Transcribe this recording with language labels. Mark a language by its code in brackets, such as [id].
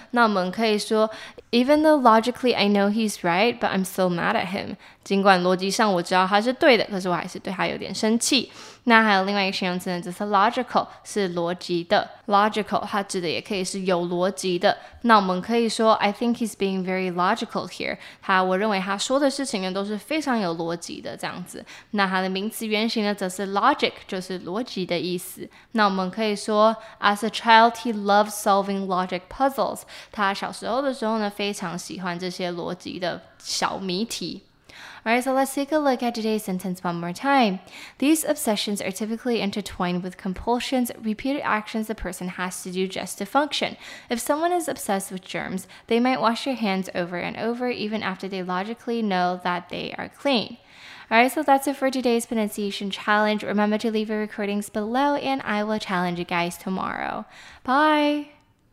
[zh] 那我们可以说 [en] Even though logically I know he's right, but I'm still mad at him. [zh] 尽管逻辑上我知道他是对的，可是我还是对他有点生气。那还有另外一个形容词呢，就是 logical， 是逻辑的。 logical 它指的也可以是有逻辑的。那我们可以说 [en] I think he's being very logical here. [zh] 他，我认为他说的事情呢都是非常有逻辑的，这样子。那它的名词原型呢则是 logic， 就是逻辑的意思。那我们可以说 [en] As a child he loved solving logic puzzles. [zh] 他小时候的时候呢非常喜欢这些逻辑的小谜题。 [en] Alright, so let's take a look at today's sentence one more time. These obsessions are typically intertwined with compulsions, repeated actions the person has to do just to function. If someone is obsessed with germs, they might wash their hands over and over, even after they logically know that they are clean. Alright, so that's it for today's pronunciation challenge. Remember to leave your recordings below, and I will challenge you guys tomorrow. Bye!